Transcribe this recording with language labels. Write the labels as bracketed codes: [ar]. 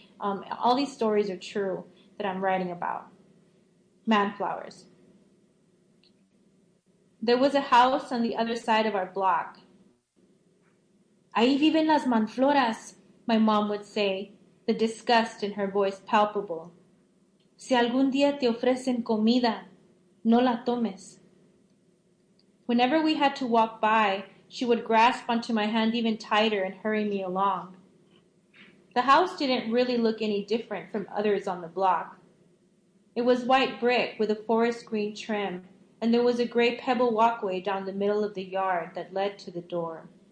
[en] All these stories are true that I'm writing about. Manflowers. There was a house on the other side of our block. [es] Ahí viven las manfloras, [en] my mom would say, the disgust in her voice palpable. [es] Si algún día te ofrecen comida, no la tomes. [en] Whenever we had to walk by, she would grasp onto my hand even tighter and hurry me along. The house didn't really look any different from others on the block. It was white brick with a forest green trim, and there was a gray pebble walkway down the middle of the yard that led to the door.